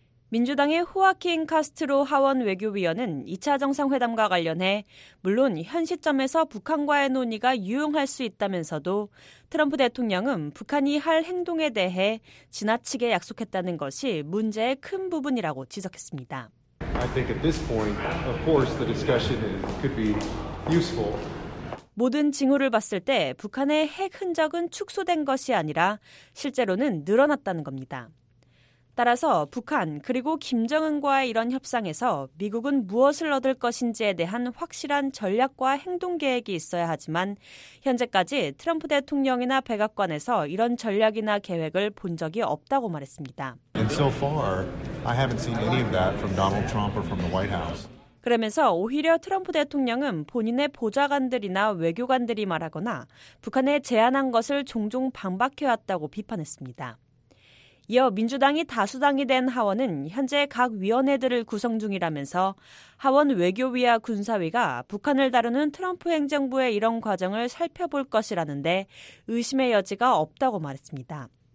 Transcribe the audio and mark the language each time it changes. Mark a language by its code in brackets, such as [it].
[ko] 민주당의 호아킨 카스트로 하원 외교위원은 2차 정상회담과 관련해 물론 현 시점에서 북한과의 논의가 유용할 수 있다면서도 트럼프 대통령은 북한이 할 행동에 대해 지나치게 약속했다는 것이 문제의 큰 부분이라고 지적했습니다. [en] I think at this point, of course, the discussion could be useful. [ko] 모든 징후를 봤을 때 북한의 핵 흔적은 축소된 것이 아니라 실제로는 늘어났다는 겁니다. 따라서 북한 그리고 김정은과의 이런 협상에서 미국은 무엇을 얻을 것인지에 대한 확실한 전략과 행동 계획이 있어야 하지만 현재까지 트럼프 대통령이나 백악관에서 이런 전략이나 계획을 본 적이 없다고 말했습니다. [en] And so far, I haven't seen any of that from Donald Trump or from the White House. [ko] 그러면서 오히려 트럼프 대통령은 본인의 보좌관들이나 외교관들이 말하거나 북한에 제안한 것을 종종 반박해왔다고 비판했습니다. 이어 민주당이 다수당이 된 하원은 현재 각 위원회들을 구성 중이라면서 하원 외교위와 군사위가 북한을 다루는 트럼프 행정부의 이런 과정을 살펴볼 것이라는데 의심의 여지가 없다고 말했습니다.